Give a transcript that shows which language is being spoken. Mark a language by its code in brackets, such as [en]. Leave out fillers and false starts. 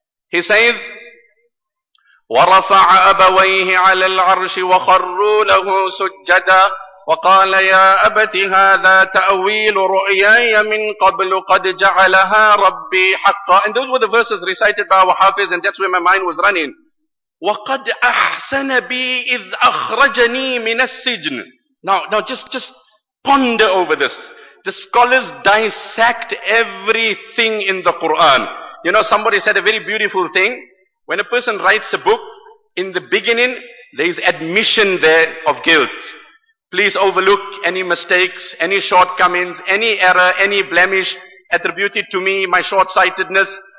[en] He says, [ar] وَرَفَعَ أَبَوَيْهِ عَلَى الْعَرْشِ وَخَرُّوا لَهُ سُجَّدًا وَقَالَ يَا أَبَتِ هَذَا تَأْوِيلُ رُؤْيَايَ مِنْ قَبْلُ قَدْ جَعَلَهَا رَبِّي حَقًّا. [en] And those were the verses recited by our Hafiz, and that's where my mind was running. [ar] وَقَدْ أَحْسَنَ بِي إِذْ أَخْرَجَنِي مِنَ السِّجْنِ. [en] Now just ponder over this. The scholars dissect everything in the Quran. You know, somebody said a very beautiful thing. When a person writes a book, in the beginning, there is admission there of guilt. Please overlook any mistakes, any shortcomings, any error, any blemish attributed to me, my short-sightedness.